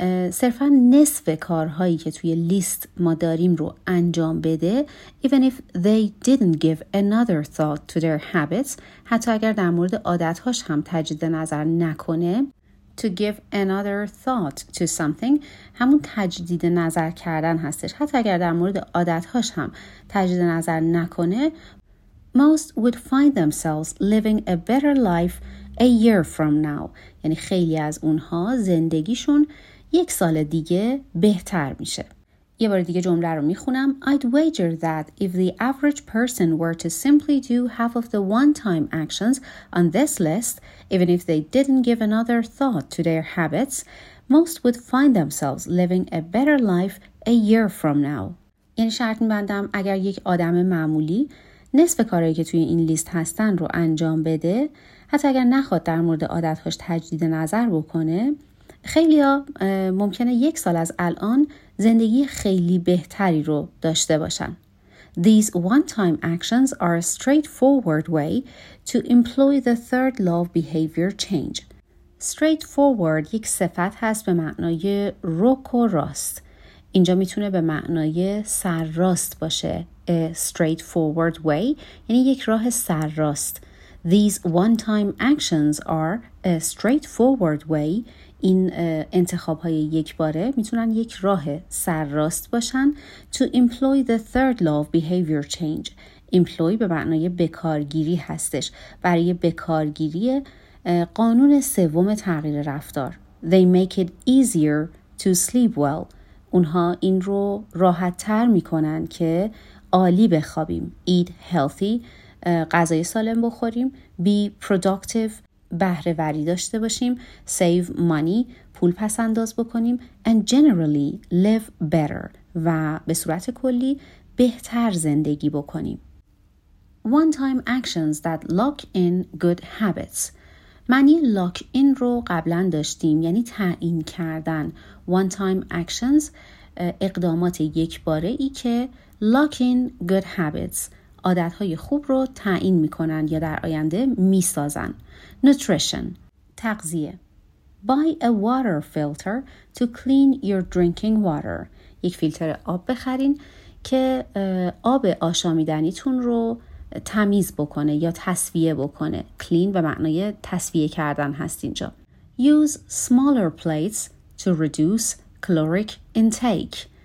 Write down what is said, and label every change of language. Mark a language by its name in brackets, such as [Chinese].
[Persian] صرفا نصف کارهایی که توی لیست ما داریم رو انجام بده، [English] even if they didn't give another thought to their habits، [Persian] حتی اگر در مورد عادتهاش هم تجدید نظر نکنه، [English] to give another thought to something [Persian] همون تجدید نظر کردن هستش، حتی اگر در مورد عادتهاش هم تجدید نظر نکنه، [English] most would find themselves living a better life a year from now، [Persian] یعنی خیلی از اونها زندگیشون یک سال دیگه بهتر میشه. یه بار دیگه جمله رو میخونم. [English] I'd wager that if the average person were to simply do half of the one-time actions on this list, even if they didn't give another thought to their habits, most would find themselves living a better life a year from now. [Persian] یعنی شرط میبندم اگر یک آدم معمولی نصف کارهایی که توی این لیست هستن رو انجام بده، حتی اگر نخواد در مورد عادتهاش تجدید نظر بکنه، خیلی ها ممکنه یک سال از الان زندگی خیلی بهتری رو داشته باشن. [English] These one-time actions are a straightforward way to employ the third law of behavior change. [Persian] Straightforward یک صفت هست به معنای رک و راست. اینجا میتونه به معنای سرراست باشه. [English] A straightforward way [Persian] یعنی یک راه سرراست. [English] These one-time actions are a straightforward way. [Persian] این انتخاب های یک باره میتونن یک راه سرراست باشن. [English] To employ the third law of behavior change. [Persian] Employ به معنای بکارگیری هستش، برای بکارگیری قانون سوم تغییر رفتار. [English] They make it easier to sleep well. [Persian] اونها این رو راحت تر میکنن که عالی بخوابیم. [English] Eat healthy، [Persian] غذای سالم بخوریم. [English] Be productive، [Persian] بهره وری داشته باشیم. [English] Save money، [Persian] پول پس انداز بکنیم. [English] And generally live better، [Persian] و به صورت کلی بهتر زندگی بکنیم. [English] One time actions that lock in good habits. [Persian] معنی lock in رو قبلا داشتیم، یعنی تعیین کردن. [English] One time actions [Persian] اقدامات یک باره ای که [English] lock in good habits، [Persian] عادت‌های خوب رو تعیین می‌کنند یا در آینده می‌سازن. Nutrition، تغذیه. [English] Buy a water filter to clean your drinking water. [Persian] یک فیلتر آب بخرین که آب آشامیدنیتون رو تمیز بکنه یا تصفیه بکنه. Clean به معنای تصفیه کردن هست اینجا. [English] Use smaller plates to reduce caloric intake.